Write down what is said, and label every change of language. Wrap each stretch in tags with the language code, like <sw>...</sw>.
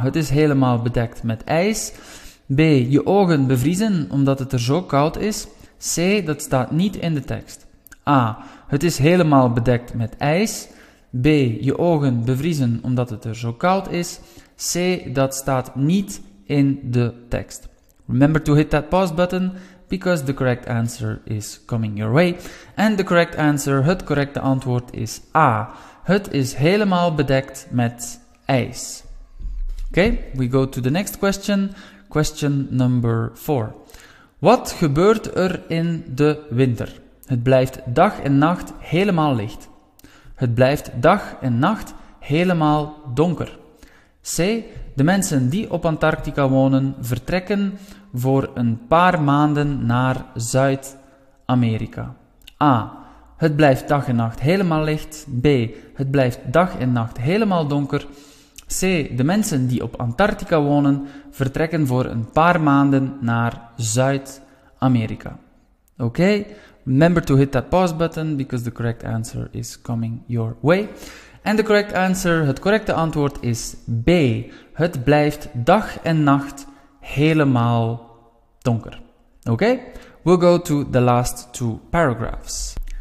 <nl>Het is helemaal bedekt met ijs. B. Je ogen bevriezen omdat het er zo koud is. C. Dat staat niet in de tekst. A. Het is helemaal bedekt met ijs. B. Je ogen bevriezen omdat het er zo koud is. C. Dat staat niet in de tekst.</nl> <en>Remember to hit that pause button, because the correct answer is coming your way. And the correct answer,</en> <nl>het correcte antwoord is A. Het is helemaal bedekt met ijs.</nl> <en>Okay, we go to the next question. Question number 4.</en> <nl>Wat gebeurt er in de winter? Het blijft dag en nacht helemaal licht. Het blijft dag en nacht helemaal donker. C. De mensen die op Antarctica wonen vertrekken voor een paar maanden naar Zuid-Amerika. A. Het blijft dag en nacht helemaal licht. B. Het blijft dag en nacht helemaal donker. C. De mensen die op Antarctica wonen vertrekken voor een paar maanden naar Zuid-Amerika.</nl> <en>Oké, remember to hit that pause button, because the correct answer is coming your way. And the correct answer,</en> <nl>het correcte antwoord is B. Het blijft dag en nacht helemaal donker.</nl> <en>Oké, we'll go to the last two paragraphs.</en>